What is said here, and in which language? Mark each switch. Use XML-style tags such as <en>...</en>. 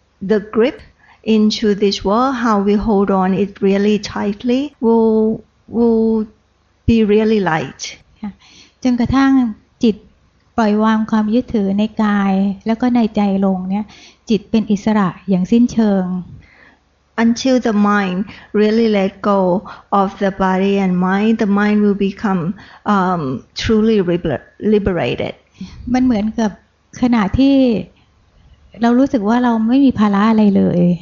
<en>the grip into this world how we hold on it really tightly will be really light</en> <th>จนกระทั่งจิตปล่อยวางความยึดถือในกายแล้วก็ในใจลงเนี่ยจิตเป็นอิสระอย่างสิ้นเชิง</th> <en>Until the mind really let go of the body and mind the mind will become truly liberated</en> <th>มันเหมือนกับขณะที่เรารู้สึกว่าเราไม่มีภาระอะไรเลย</th>